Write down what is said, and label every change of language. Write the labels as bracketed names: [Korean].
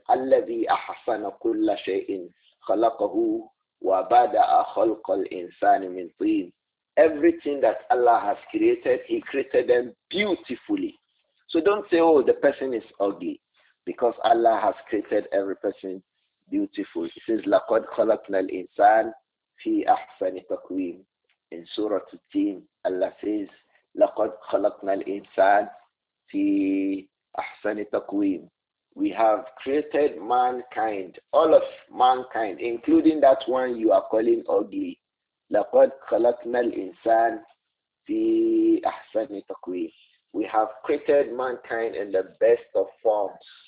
[Arabic] Allahi ahsana kulla shay'in khalaqahu. وَبَدَأَ خَلْقَ الْإِنسَانِ مِنْ طِينٍ. [English] Everything that Allah has created, he created them beautifully. So don't say, oh, the person is ugly, because Allah has created every person beautiful. He says, [Arabic] لَقَدْ خَلَقْنَا الْإِنسَانِ فِي أَحْسَنِ تَقْوِيمٍ. [English] In Surah At-Tin, Allah says, [Arabic] لَقَدْ خَلَقْنَا الْإِنسَانِ فِي أَحْسَنِ تَقْوِيمٍ. [English] We have created mankind, all of mankind, including that one you are calling ugly. [Arabic] لَقَدْ خَلَقْنَا الْإِنسَانِ فِي أَحْسَنِ تَقْوِيمٍ. [English] We have created mankind in the best of forms.